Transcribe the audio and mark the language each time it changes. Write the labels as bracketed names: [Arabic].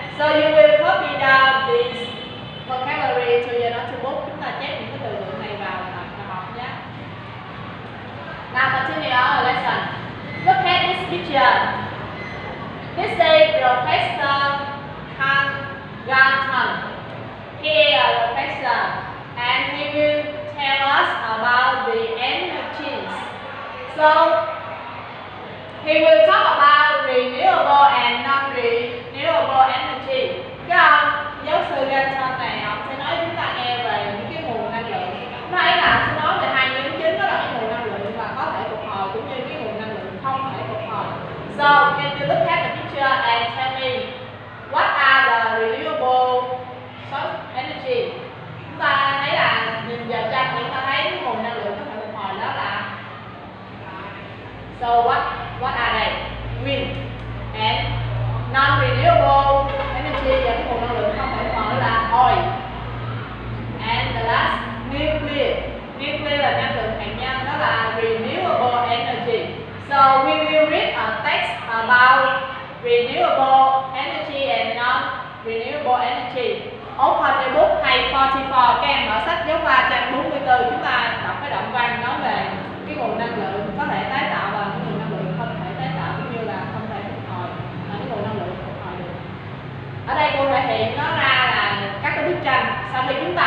[English] So you will copy down this vocabulary to your notebook. [Vietnamese] Chúng ta chép những cái từ vựng này vào tập học nhé. [English] Now continue our lesson. Look at this picture. This is Professor Kang Gantan. He is a professor, and he will tell us about the energies. So, he will talk about renewable and non-renewable energy. [Vietnamese] Các giáo sư Gantan này, ông sẽ nói chúng ta nghe về những cái nguồn năng lượng. Nói là sẽ nói về hai nhóm chính, đó là cái nguồn năng lượng mà có thể phục hồi cũng như cái nguồn năng lượng không thể phục hồi. [English] So, can you look at the picture and tell me what are the renewable energy? [Vietnamese] Chúng ta thấy là nhìn vào trong chúng ta thấy cái nguồn năng lượng có thể phục hồi đó là [English] so what are they? Wind and non renewable energy, [Vietnamese] và cái nguồn năng lượng không thể phục hồi là oil. [English] And the last, [Vietnamese] nuclear là năng lượng hạt nhân, đó là renewable energy. [English] So we will read a text about renewable energy and non renewable energy. Open the book, page 44, [Vietnamese] các em mở sách giáo khoa trang 44, chúng ta đọc cái đoạn văn nói về cái nguồn năng lượng có thể tái tạo và cái nguồn năng lượng không thể tái tạo cũng như là không thể phục hồi, cái nguồn năng lượng phục hồi được. Ở đây cô thể hiện nó ra là các cái bức tranh, sau khi